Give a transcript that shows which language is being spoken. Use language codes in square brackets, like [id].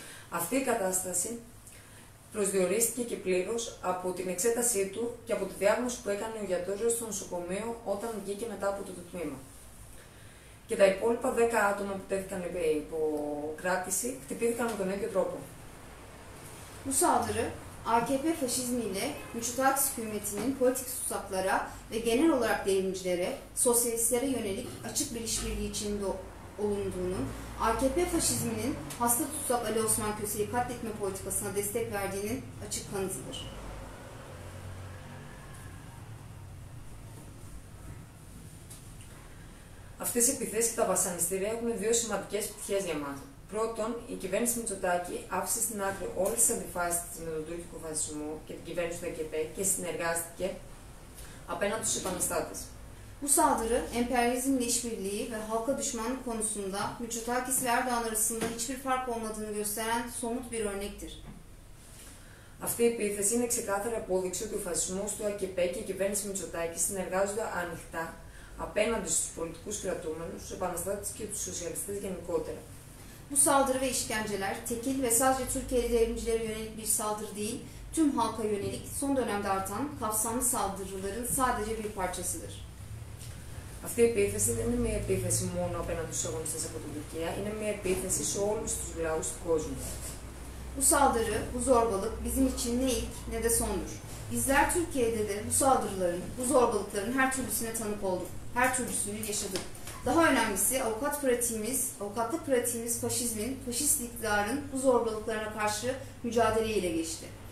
[el] Αυτή η κατάσταση προσδιορίστηκε και πλήρως από την εξέτασή του και από τη διάγνωση που έκανε ο γιατρός στο νοσοκομείο όταν βγήκε μετά από το τμήμα. Και τα υπόλοιπα 10 άτομα που τέθηκαν υπό κράτηση χτυπήθηκαν με τον ίδιο τρόπο. Μουσάδρε. [tr] AKP faşizmiyle müçtehit hükümetinin politik tutsaklara ve genel olarak devrimcilere, sosyalistlere yönelik açık bir işbirliği içinde olunduğunun, AKP faşizminin hasta tutsak Ali Osman Köse'yi katletme politikasına destek verdiğinin açık kanıtıdır. [el] Αυτές οι επιθέσεις και τα βασανιστήρια έχουν δύο σημαντικές πτυχές για μας. Πρώτον, η κυβέρνηση Μητσοτάκη άφησε στην άκρη όλες τις αντιφάσεις με τον τουρκικό φασισμό και την κυβέρνηση του ΑΚΕΠΕ και συνεργάστηκε απέναντι στους επαναστάτες. [tr] Bu saldırı, emperyalizmle işbirliği ve halka düşmanlık konusunda Mitsotakis ve Erdoğan arasında hiçbir fark olmadığını gösteren somut bir örnektir. [el] Αυτή η επίθεση είναι ξεκάθαρη απόδειξη ότι ο φασισμός του ΑΚΕΠΕ και η κυβέρνηση Μητσοτάκη συνεργάζονται ανοιχτά απέναντι στους πολιτικούς κρατούμενους, στους επαναστάτες και τους σοσιαλιστές γενικότερα. [tr] Bu saldırı ve işkenceler tekil ve sadece Türkiye'li devrimcilere yönelik bir saldırı değil, tüm halka yönelik son dönemde artan kapsamlı saldırıların sadece bir parçasıdır. [el] Αυτή η επίθεση δεν είναι μια επίθεση μόνο απέναντι στους αγωνιστές από την Τουρκία, είναι μια επίθεση σε όλους τους λαούς του κόσμου. [tr] Bu saldırı, bu zorbalık bizim için ne ilk ne de sondur. Bizler Türkiye'de de bu saldırıların, bu zorbalıkların her türlüsüne tanık olduk, her türlüsünü yaşadık. Daha önemlisi avukat pratiğimiz, avukatlık pratiğimiz faşizmin, faşist iktidarın bu zorbalıklarına karşı mücadele ile geçti.